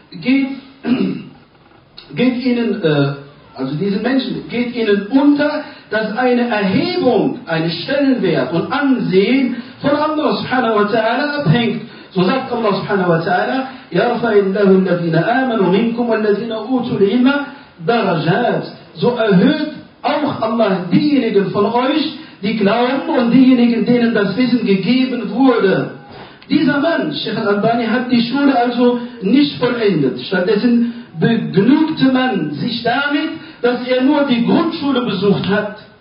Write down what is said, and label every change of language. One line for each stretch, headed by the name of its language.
German: geht ihnen, also diese Menschen, geht ihnen unter, dass eine Erhebung, ein Stellenwert und Ansehen von Allah subhanahu wa ta'ala abhängt. So sagt
Arabic: Allah subhanahu wa ta'ala, يَرْفَعِ اللَّهُ الَّذِينَ آمَنُوا مِنْكُمْ وَالَّذِينَ أُوتُوا الْعِلْمَ دَرَجَاتِ.
German: So erhöht auch Allah diejenigen von euch, die glauben und diejenigen, denen das Wissen gegeben wurde. Dieser Mann, Sheikh al-Albani, hat die Schule also nicht vollendet. Stattdessen begnügte man sich damit, dass er nur die Grundschule besucht hat.